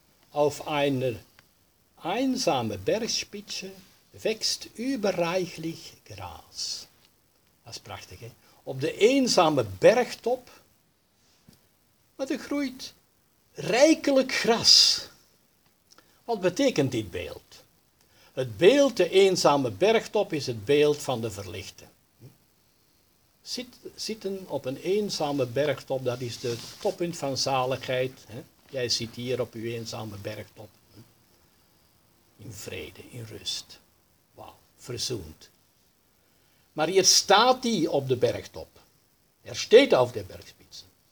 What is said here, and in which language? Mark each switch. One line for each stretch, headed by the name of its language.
German: Auf einer einsamen Bergspitze wächst überreichlich Gras.
Dutch: Dat is prachtig, hè? Op de eenzame bergtop, maar er groeit rijkelijk gras. Wat betekent dit beeld? Het beeld, de eenzame bergtop, is het beeld van de verlichte. Zitten op een eenzame bergtop, dat is het toppunt van zaligheid. Hè? Jij zit hier op uw eenzame bergtop. Hè? In vrede, in rust. Wauw, verzoend. Maar hier staat hij op de bergtop.
German: Er steht auf der Bergspitze.